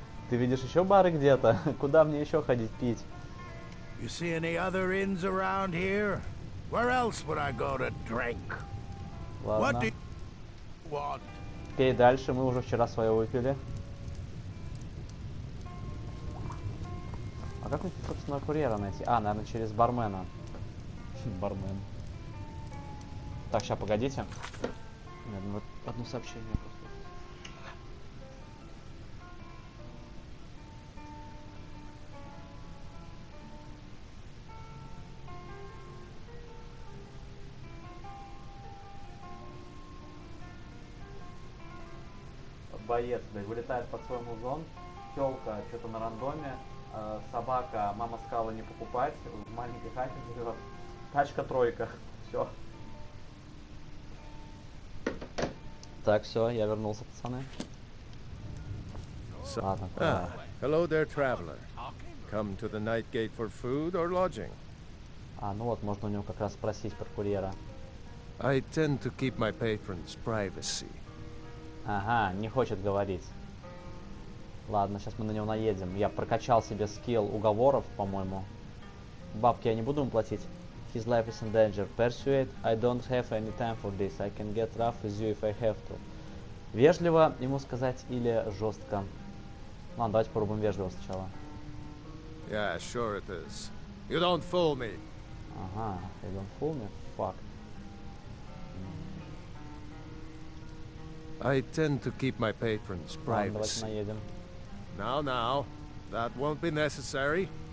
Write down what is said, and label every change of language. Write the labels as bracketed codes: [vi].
[ru] Ты видишь еще бары где-то? Куда мне еще ходить пить? [en] You see any other inns around here? Where else would I go to drink? [ru] Ладно. [en] What do you want? [ru] Пей дальше, мы уже вчера свое выпили. А как мне, собственно, курьера найти? А, наверное, через бармена. Бармен. Так, сейчас, погодите. Одно сообщение. Боец, блядь, вылетает под свой музон, тёлка что-то на рандоме, собака, мама сказала не покупать, в маленькой хате живёт, тачка тройка, всё. Так, всё, я вернулся, пацаны. Ладно, [en] hello there, traveler. Come to the night gate for food or lodging? [ru] А, ну вот, можно у него как раз спросить про курьера. [en] I tend to keep my patrons' privacy. [ru] Ага, не хочет говорить. Ладно, сейчас мы на него наедем. Я прокачал себе скилл уговоров, по-моему. Бабки я не буду ему платить. [en] His life is in danger. Persuade. I don't have any time for this. I can get rough with you if I have to. [ru] Вежливо ему сказать или жестко? Ладно, давайте попробуем вежливо сначала. [en] Yeah, sure it is. You don't fool me. Ага, you don't fool me? Fuck. I tend to keep my patrons' privacy. Now, that won't be necessary.